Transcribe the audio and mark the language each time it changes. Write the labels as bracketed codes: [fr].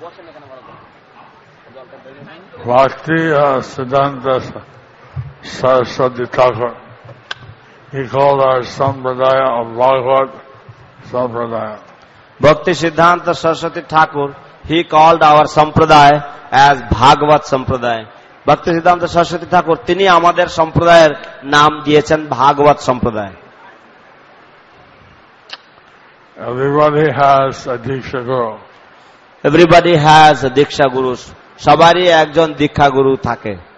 [en] Bhakti Siddhanta Saraswati Thakur. He called our Sampradaya a Bhagavat Sampradaya. Bhakti Siddhanta Saraswati Thakur, he called our Sampradaya as Bhagavat Sampradaya. [bn] ভক্তি সিদ্ধান্ত সরস্বতী ঠাকুর তিনি আমাদের সম্প্রদায়ের নাম দিয়েছেন ভাগবত সম্প্রদায়। [en] Everybody has a Diksha Guru. Everybody has a Diksha Guru. [bn] Sabari ekjon Diksha Guru thake.